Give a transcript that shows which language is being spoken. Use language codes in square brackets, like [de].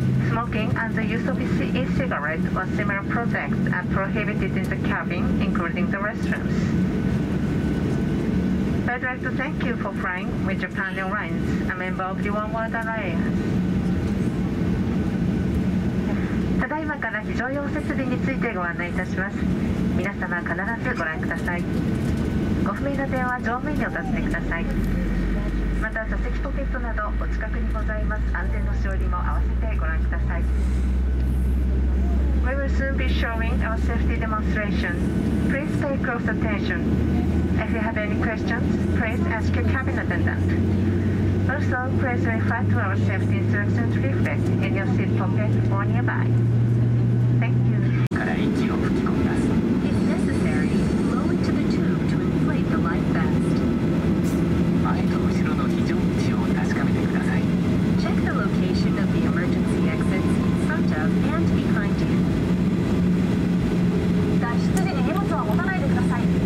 [en] Smoking and the use of e-cigarettes or similar products are prohibited in the cabin, including the restrooms. I'd like to thank you for flying with Japan Airlines, a member of the Oneworld Alliance. [ja] ただいまから非常用設備についてご案内いたします。皆様必ずご覧ください。ご不明な点は乗務員にお尋ねください。また座席ポケットなどお近くにございます安全のしおりも合わせてご覧ください。 [en] We will soon be showing our safety demonstration. Please pay close attention. If you have any questions, please ask your cabin attendantAlso, please refer to our safety instructions leaflet in your seat pocket or nearby. Thank you. If necessary, blow into the tube to inflate the life vest. Check the location of the emergency exits in front of and behind you. [ja] 脱出時に荷物は持たないでください。